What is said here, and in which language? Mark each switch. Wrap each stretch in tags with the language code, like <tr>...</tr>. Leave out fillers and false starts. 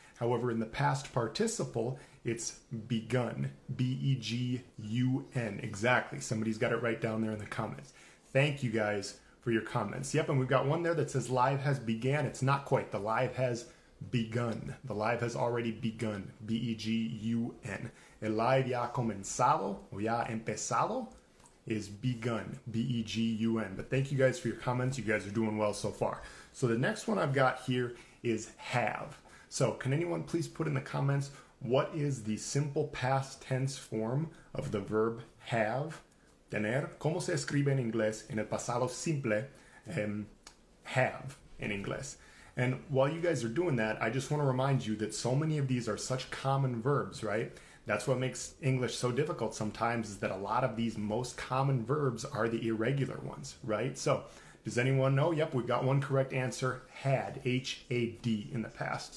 <en>However, in the past participle, it's begun, B-E-G-U-N. Exactly. Somebody's got it right down there in the comments. Thank you guys for your comments. Yep, and we've got one there that says live has began. It's not quite. The live has begun. The live has already begun, B-E-G-U-N.</en> <es>El live ya comenzado o ya empezado</es> <en>is begun,</en> <es>B-E-G-U-N.</es> <en>But thank you guys for your comments. You guys are doing well so far. So the next one I've got here is have. So can anyone please put in the comments, what is the simple past tense form of the verb have?</en> <es>Tener, ¿cómo se escribe en inglés en el pasado simple, have in inglés?</es> <en>And while you guys are doing that, I just want to remind you that so many of these are such common verbs, right? That's what makes English so difficult sometimes, is that a lot of these most common verbs are the irregular ones, right? So does anyone know? Yep, we've got one correct answer, had, H-A-D in the past.</en>